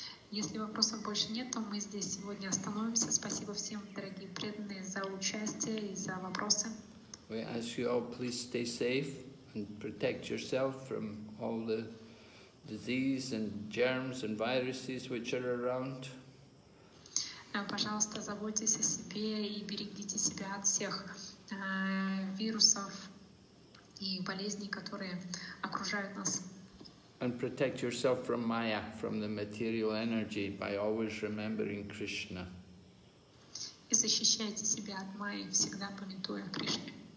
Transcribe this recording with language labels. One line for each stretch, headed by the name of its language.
Russian: Если вопросов больше нет, то мы здесь сегодня остановимся. Спасибо всем, дорогие преданные, за участие и за вопросы.
English: We ask you all, please stay safe and protect yourself from all the disease and germs and viruses which are around.
Russian: Пожалуйста, заботьтесь о себе и берегите себя от всех вирусов и болезней, которые окружают нас.
English: And protect yourself from Maya, from the material energy, by always remembering Krishna.
Russian: И защищайте себя от Майи, всегда помнитуя Кришне.